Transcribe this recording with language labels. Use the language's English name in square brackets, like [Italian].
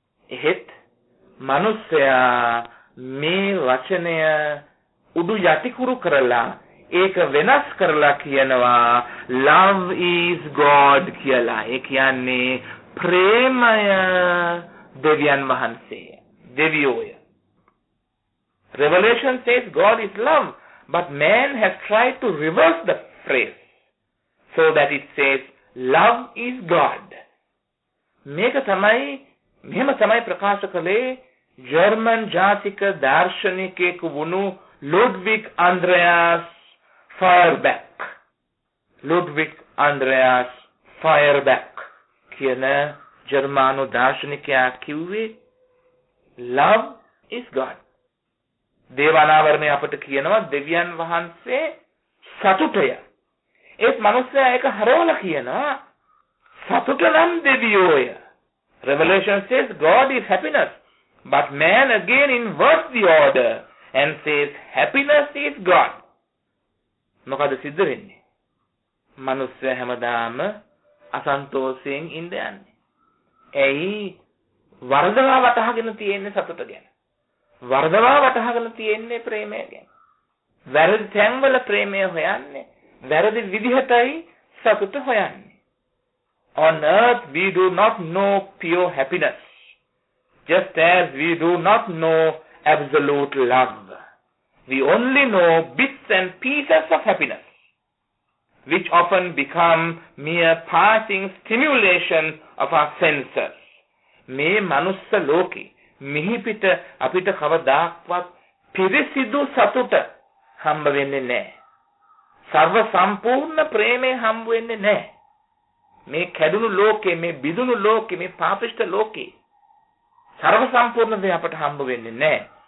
[Sinhala] එහෙත් මනුස්සයා මේ වචනය උඩු යටිකුරු කරලා ඒක වෙනස් කරලා කියනවා [English] love is god [Sinhala] කියලා. ඒ කියන්නේ ප්‍රේමය දෙවියන් වහන්සේය, දෙවියෝය. [English] Revelation says god is love, but man has tried to reverse the phrase so that it says love is god. [Sinhala] මේක තමයි මෙහෙම තමයි ප්‍රකාශ කළේ ජර්මන් ජාතික දාර්ශනිකයෙක් වුණු Ludwig Andreas Feuerbach. Ludwig Andreas Feuerbach කියන ජර්මානු දාර්ශනිකයා කිව්වේ [English] Love is God. [Sinhala] දේවානාවරණය අපට කියනවා දෙවියන් වහන්සේ සතුටය. ඒත් මනුස්සයා ඒක හරවලා කියනවා සතුට නම් දෙවියෝය. [English] Revelation says God is happiness, but man again inverts the order and says happiness is God. [Sinhala] මොකද සිද්ධ වෙන්නේ? මනුස්සය හැමදාම අසන්තෝෂයෙන් ඉඳ යන්නේ. ඇයි? වරදවා වටහාගෙන තියෙන්නේ සතුට ගැන. වරදවා වටහාගෙන තියෙන්නේ ප්‍රේමය ගැන. වැරදි තැන්වල ප්‍රේමය හොයන්නේ, වැරදි විදිහටයි සතුට හොයන්නේ. [English] On earth we do not know pure happiness, just as we do not know absolute love. We only know bits and pieces of happiness, which often become mere passing stimulation of our senses. [Sinhala] මේ මනුස්ස ලෝකේ මිහි පිට අපිට කවදාක්වත් පිරිසිදු සතුට හම්බ වෙන්නේ නැහැ. සර්ව සම්පූර්ණ ප්‍රේමය හම්බ වෙන්නේ නැහැ. මේ කැඩුණු ලෝකේ, මේ බිඳුණු ලෝකේ, මේ පාපිෂ්ඨ ලෝකේ සර්ව සම්පූර්ණ දේ අපට හම්බ වෙන්නේ නැහැ.